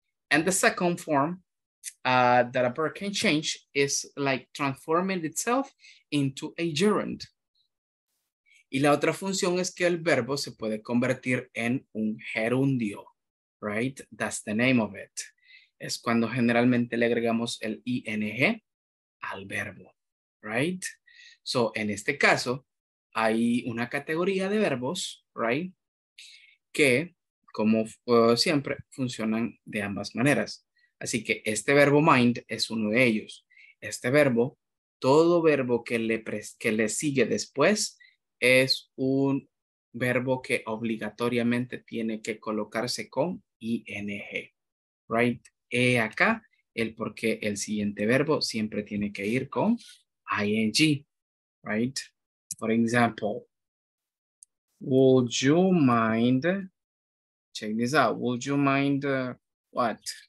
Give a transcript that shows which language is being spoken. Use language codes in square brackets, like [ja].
[en] And the second form that a verb can change is like transforming itself into a gerund. [es] Y la otra función es que el verbo se puede convertir en un gerundio, right? [en] That's the name of it. [es] Es cuando generalmente le agregamos el ing al verbo, right? So, en este caso, hay una categoría de verbos, right? Que, como siempre, funcionan de ambas maneras. Así que este verbo mind es uno de ellos. Este verbo, todo verbo que le sigue después, es un verbo que obligatoriamente tiene que colocarse con ing, right? He acá el por qué el siguiente verbo siempre tiene que ir con ing, right? [en] For example, would you mind, check this out, would you mind what?